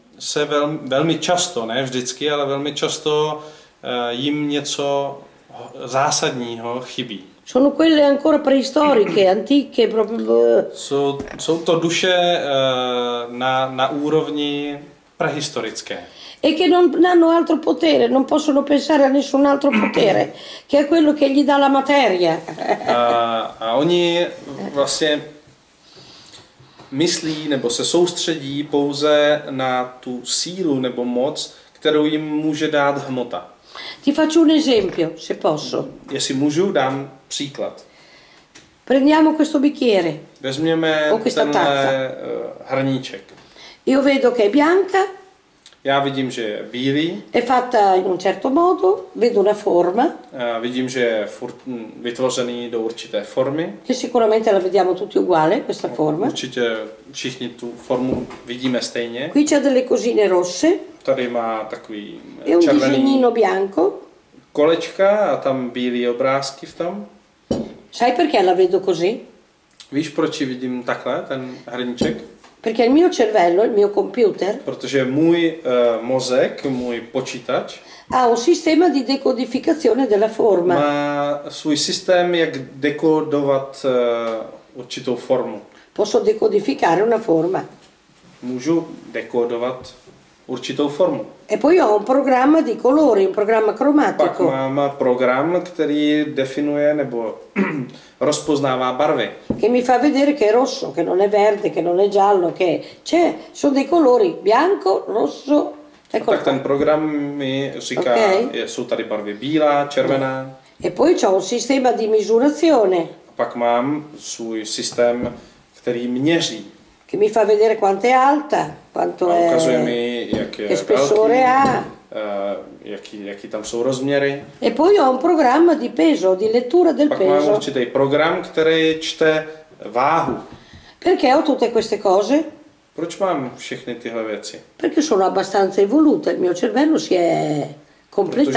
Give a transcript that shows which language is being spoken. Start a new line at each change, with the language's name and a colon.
Czech: Se velmi často, ne vždycky, ale velmi často jim něco zásadního chybí.
Italian: Sono quelle ancora preistoriche, antiche, proprio.
Czech: Jsou to duše na úrovni prehistorické.
Italian: E che non hanno altro potere, non possono pensare a nessun altro potere, che è quello che gli dà la materia.
Czech: A oni vlastně myslí nebo se soustředí pouze na tu sílu nebo moc, kterou jim může dát hmota.
Italian: Ti faccio un esempio, se posso.
Czech: Jestli můžu, dám příklad.
Italian: Prendiamo questo bicchiere.
Czech: Vezměme tenhle hrníček.
Italian: Io vedo che è bianca.
Czech: Já vidím, že je bílý.
Italian: È fatta in un certo modo, vedo una forma.
Czech: Vidím, že je vytvořený do určité formy.
Italian: Che sicuramente la vediamo tutti uguale questa forma.
Czech: Určitě všichni tu formu vidíme stejně.
Italian: Qui c'è delle cosine rosse.
Czech: Tady má takový červený.
Italian: È un disegnino bianco.
Czech: Kolečka a tam bílý obrázky v tom.
Italian: Sai perché la vedo così?
Czech: Víš, proč ji vidím takhle, ten hrníček?
Italian: Perché il mio cervello, il mio computer,
Czech: protože můj mozek, můj počítač,
Italian: ha un sistema di decodificazione della forma.
Czech: Má svůj systém, jak dekodovat určitou formu.
Italian: Posso decodificare una forma.
Czech: Můžu dekodovat určitou formu.
Italian: E poi ho un programma di colori, un programma cromatico.
Czech: Pak mám program, který definuje nebo rozpoznává barvy.
Italian: Che mi fa vedere che è rosso, che non è verde, che non è giallo, che c'è, sono dei colori, bianco, rosso. Ecco.
Czech: Tak ten program mi říká, jsou tady barvy bílá, červená.
Italian: E poi c'ho un sistema di misurazione.
Czech: Pak mám svůj systém, který měří.
Italian: Che mi fa vedere quanto è alta, quanto è, che spessore ha,
Czech: jaký tam jsou rozměry.
Italian: E poi ho un programma di peso, di lettura del
Czech: pak
Italian: peso.
Czech: Pak mám určitý program, který čte váhu.
Italian: Perché ho tutte queste cose?
Czech: Proč mám všechny tyhle věci?
Italian: Perché sono abbastanza evoluto, il mio cervello si è completato.